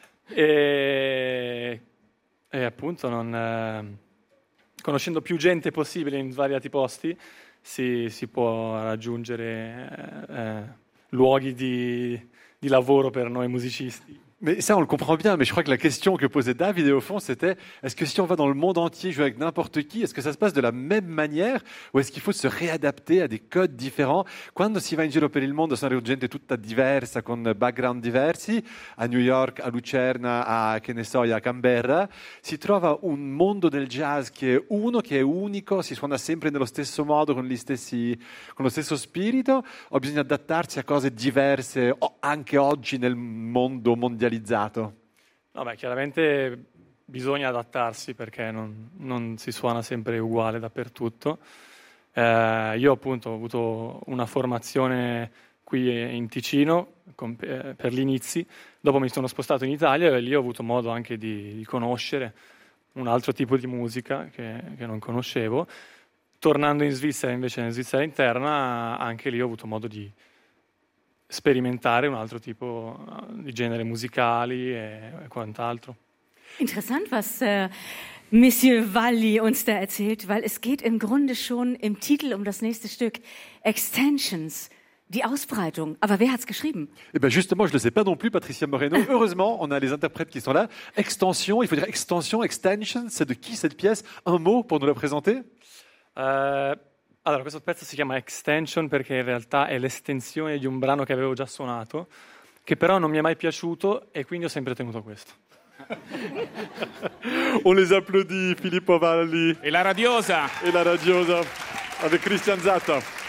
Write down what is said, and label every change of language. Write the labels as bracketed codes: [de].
[it] e appunto, non, conoscendo più gente possibile in svariati posti, si può raggiungere luoghi di lavoro per noi musicisti. [fr] Mais ça, on le comprend bien, mais je crois que la question que posait David, et au fond, c'était, est-ce que si on va dans le monde entier jouer avec n'importe qui, est-ce que ça se passe de la même manière, ou est-ce qu'il faut se réadapter à des codes différents? [it] Quando si va in giro per il mondo, sono gente tutta diversa, con background diversi, a New York, a Lucerna, a, che ne so, a Canberra, si trova un mondo del jazz che è uno, che è unico, si suona sempre nello stesso modo, con lo stesso spirito, o bisogna adattarsi a cose diverse, o anche oggi nel mondo mondializzato? No, beh, chiaramente bisogna adattarsi, perché non si suona sempre uguale dappertutto. Io appunto ho avuto una formazione qui in Ticino per gli inizi, dopo mi sono spostato in Italia e lì ho avuto modo anche di conoscere un altro tipo di musica che non conoscevo. Tornando in Svizzera, invece, in Svizzera interna, anche lì ho avuto modo di sperimentare un altro tipo di genere musicali e quant'altro. [de] Interessant, was Monsieur Valli uns da erzählt, weil es geht im Grunde schon im Titel um das nächste Stück, Extensions, die Ausbreitung. Aber wer hat's geschrieben? [fr] Eh bien, justement, je ne le sais pas non plus, Patricia Moreno. Heureusement, on a les interprètes qui sont là. Extension, il faut dire extension, extension, c'est de qui cette pièce? Un mot pour nous la présenter? [it] Allora, questo pezzo si chiama Extension perché in realtà è l'estensione di un brano che avevo già suonato, che però non mi è mai piaciuto e quindi ho sempre tenuto questo. [fr] On les applaudit, Filippo Valli. [it] E la radiosa. E la radiosa, avec Christian Zatta.